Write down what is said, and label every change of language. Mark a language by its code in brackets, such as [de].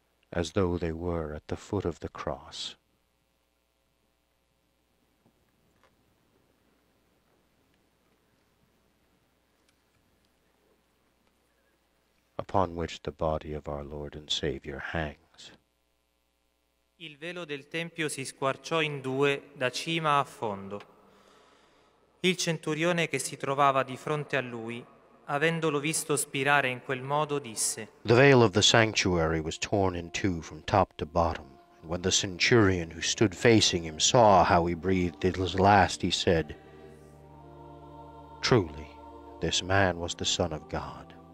[en] As though they were at the foot of the cross. Upon which the body of our Lord and Savior hangs. [it] Il velo del tempio si squarciò in due da cima a fondo. Il centurione che si trovava di fronte a lui, avendolo visto spirare in quel modo, disse: [en] The veil of the sanctuary was torn in two from top to bottom, and when the centurion who stood facing him saw how he breathed his last, he said, Truly, this man was the Son of God.